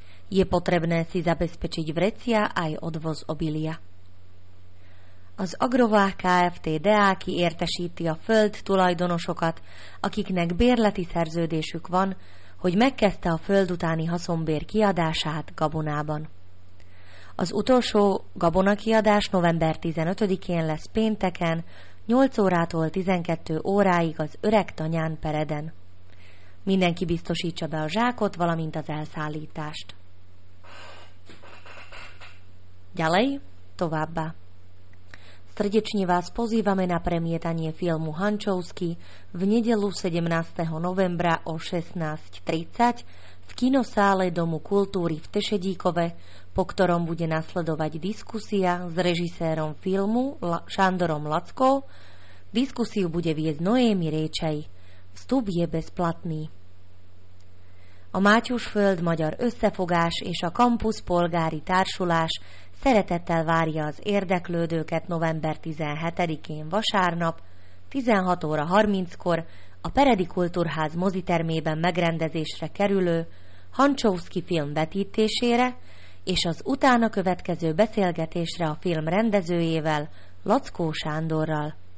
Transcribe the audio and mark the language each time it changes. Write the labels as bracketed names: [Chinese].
[Slovak] Je potrebné si zabezpečiť vrecia aj odvoz obilia. [Hungarian] Az agrovák Kft. Deáki értesíti a föld tulajdonosokat, akiknek bérleti szerződésük van, hogy megkezdte a föld utáni haszonbér kiadását gabonában. Az utolsó gabonakiadás november 15-én lesz pénteken, 8 órától 12 óráig az öreg tanyán Pereden. Mindenki biztosítsa be a zsákot, valamint az elszállítást. [Slovak] Ďalej, [Hungarian] továbbá. [Slovak] Srdečne vás pozývame na premietanie filmu Hančovský v nedeľu 17. novembra o 16.30 v kinosále Domu kultúry v Tešedíkove, po ktorom bude nasledovať diskusia s režisérom filmu Šandorom Lacko. Diskusiu bude viesť Noémi Réčej. Vstup je bezplatný. [Hungarian] A Mátyusföld Magyar Összefogás és a Campus Polgári Társulás szeretettel várja az érdeklődőket november 17-én vasárnap 16 óra 30-kor a Peredi Kultúrház mozitermében megrendezésre kerülő Hančovský film vetítésére és az utána következő beszélgetésre a film rendezőjével, Lackó Sándorral.